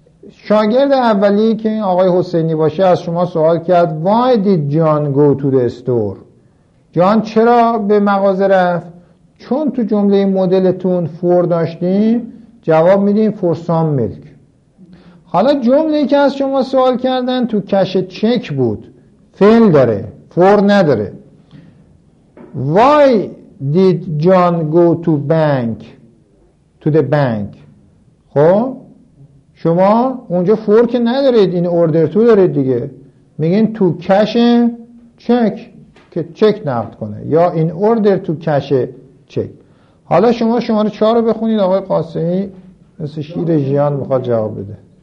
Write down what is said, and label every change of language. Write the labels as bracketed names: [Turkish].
[Persian] شاگرد اولی که این آقای حسینی باشه از شما سوال کرد [English] Why did John go to the store؟ [Persian] جان چرا به مغازه رفت؟ چون تو جمله مدلتون for داشتیم جواب میدیم [English] for some milk. [Persian] حالا جمله‌ای که از شما سوال کردن تو کش چک بود، فعل داره، for نداره. [English] Why did John go to bank؟ to the bank. [Persian] خب؟ شما اونجا فور که ندارید، این اوردر تو دارید دیگه، میگین تو کش چک که چک نقد کنه، یا این اوردر تو کش چک. حالا شما شماره 4 رو بخونید آقای قاسمی، مثل شیر ژیان میخواد جواب بده.